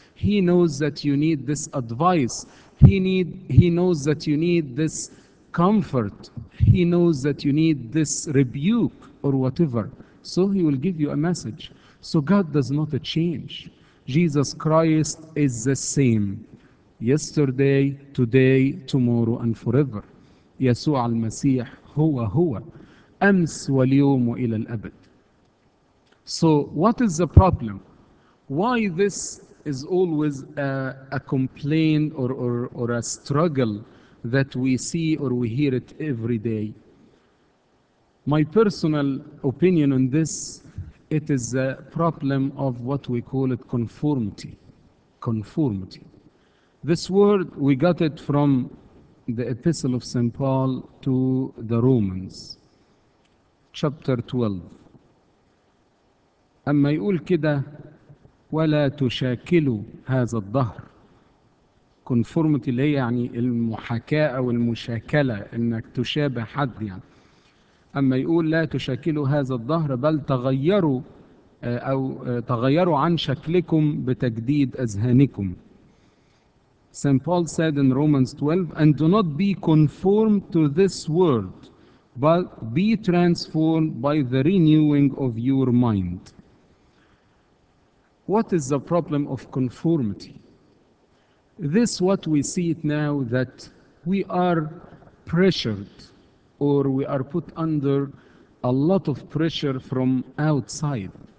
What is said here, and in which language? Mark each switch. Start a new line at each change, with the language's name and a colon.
English: He knows that you need this advice. He knows that you need this comfort. He knows that you need this rebuke or whatever. So He will give you a message. So God does not change. Jesus Christ is the same, yesterday, today, tomorrow, and forever.
Arabic: يسوع المسيح هو هو أمس واليوم وإلى الأبد.
English: So what is the problem? Why this is always a complaint or a struggle that we see or we hear it every day. My personal opinion on this, it is a problem of what we call it conformity. Conformity. This word, we got it from the Epistle of St. Paul to the Romans, chapter 12.
Arabic: أما يقول كده ولا تشاكلوا هذا الظهر. Conformity اللي هي يعني المحاكاة أو المشاكلة، إنك تشابه حد يعني. أما يقول لا تشاكلوا هذا الظهر بل تغيروا أو تغيروا عن شكلكم بتجديد أذهانكم.
English: St. Paul said in Romans 12, and do not be conformed to this world, but be transformed by the renewing of your mind. What is the problem of conformity? This what we see it now, that we are pressured, or we are put under a lot of pressure from outside.